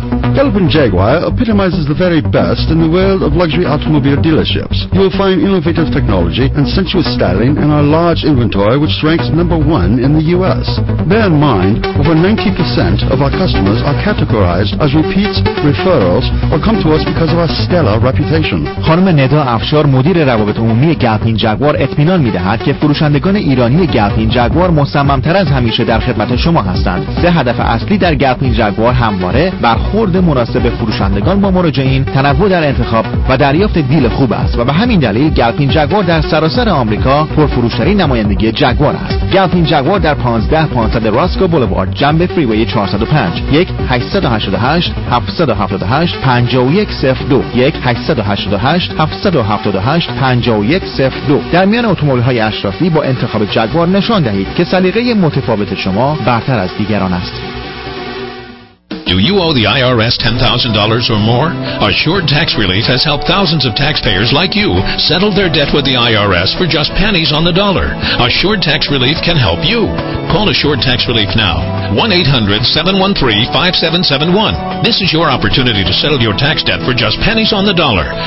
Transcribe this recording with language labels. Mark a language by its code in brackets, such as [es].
[en] Kelvin Jaguar epitomizes the very best in the world of luxury automobile dealerships. You will find innovative technology and sensuous styling in our large inventory, which ranks number one in the U.S. Bear in mind, over 90% of our customers are categorized as repeats, referrals, or come to us because of our stellar reputation. [fa] خانم ندا افشار، مدیر روابط عمومی گلفین جگوار، اطمینان می‌دهد که فروشندگان ایرانی گلفین جگوار مصمم‌تر از همیشه در خدمت شما هستند. سه هدف اصلی در گلفین جگوار همواره برخورد مناسب فروشندگان با مراجعین، تنوع در انتخاب و دریافت دیل خوب است و به همین دلیل گلفین جگوار در سراسر آمریکا پرفروشترین نمایندگی جگوار است. گلفین جگوار در 15500 راسکو بولوارد جنب فریوی 405، 1-888-778-5102، 1-888-778-5102. در میان اتومبیل‌های اشرافی با انتخاب جگوار نشان دهید که سلیقه متفاوت شما برتر از دیگران است. [en] Do you owe the IRS $10,000 or more? Assured Tax Relief has helped thousands of taxpayers like you settle their debt with the IRS for just pennies on the dollar. Assured Tax Relief can help you. Call Assured Tax Relief now. 1-800-713-5771. This is your opportunity to settle your tax debt for just pennies on the dollar.